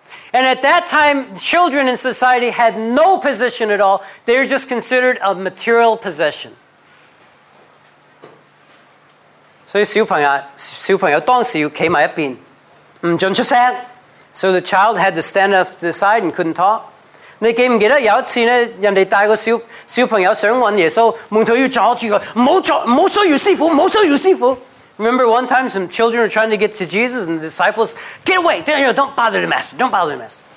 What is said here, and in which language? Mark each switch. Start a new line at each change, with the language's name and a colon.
English: And at that time, children in society had no position at all. They were just considered a material possession. So the child had to stand up to the side and couldn't talk.
Chinese: 你记不记得有一次呢,人家带个小朋友想问耶稣,门徒要抓住他,没所有师傅。
English: Remember one time some children were trying to get to Jesus and the disciples, get away, don't bother the master, don't bother the master.